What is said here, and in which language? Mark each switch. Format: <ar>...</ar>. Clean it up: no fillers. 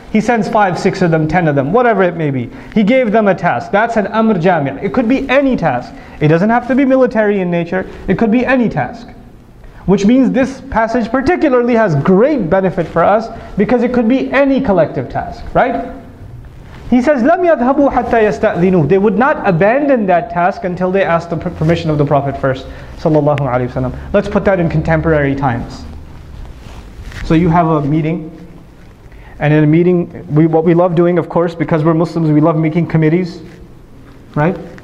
<en>He sends 5, 6 of them, 10 of them, whatever it may be. He gave them a task. That's an amr jami'. It could be any task. It doesn't have to be military in nature. It could be any task. Which means this passage particularly has great benefit for us because it could be any collective task, right? He says,</en> <ar>لَمْ يَذْهَبُوا حَتَّى يَسْتَأْذِنُوا.</ar> <en>They would not abandon that task until they asked the permission of the Prophet first, sallallahu alaihi wasallam. Let's put that in contemporary times. So you have a meeting, and in a meeting, what we love doing, of course, because we're Muslims, we love making committees, right?</en>